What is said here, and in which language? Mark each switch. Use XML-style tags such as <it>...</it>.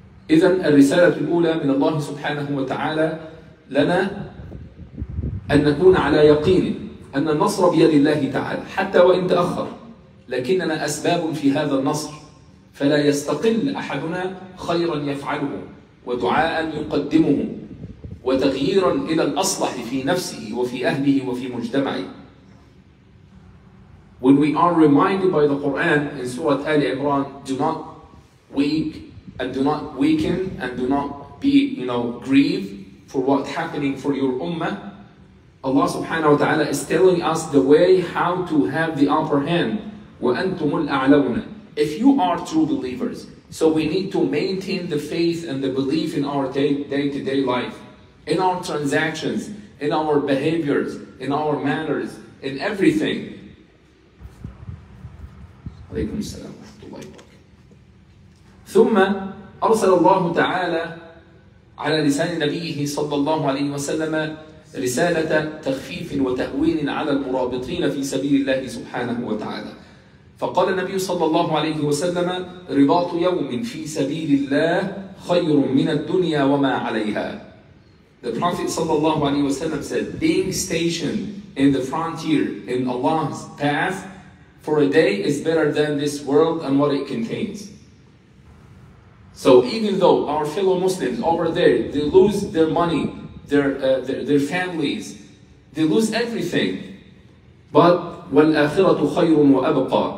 <ar>إذن الرسالة الأولى من الله سبحانه وتعالى لنا أن نكون على يقين أن النصر بيد الله تعالى، حتى وإن تأخر لكننا أسباب في هذا النصر، فلا يستقل أحدنا خيرا يفعله ودعاء يقدمه وتغييرا إلى الأصلح في نفسه وفي أهله وفي مجتمعه.</ar> <en>When we are reminded by the Quran in Surah Ali Imran, do not weak and do not weaken and do not be, grieve for what's happening for your ummah, Allah subhanahu wa ta'ala is telling us the way how to have the upper hand.</en> <ar>وَأَنْتُمُ الْأَعْلَوْنَ.</ar> <en>If you are true believers, so we need to maintain the faith and the belief in our day-to-day life, in our transactions, in our behaviors, in our manners, in everything.</en> <ar>عليكم السلام ورحمة الله وبركاته. ثم أرسل الله تعالى على لسان نبيه صلى الله عليه وسلم رسالة تخفيف وتهوين على المرابطين في سبيل الله سبحانه وتعالى. فقال النبي صلى الله عليه وسلم: رباط يوم في سبيل الله خير من الدنيا وما عليها.</ar> <en>The Prophet صلى الله عليه وسلم said, being stationed in the frontier in Allah's path for a day is better than this world and what it contains. So even though our fellow Muslims over there, they lose their money, their families, they lose everything, but</en> <ar>وَالْآخِرَةُ خَيْرٌ وَأَبْقَى.</ar>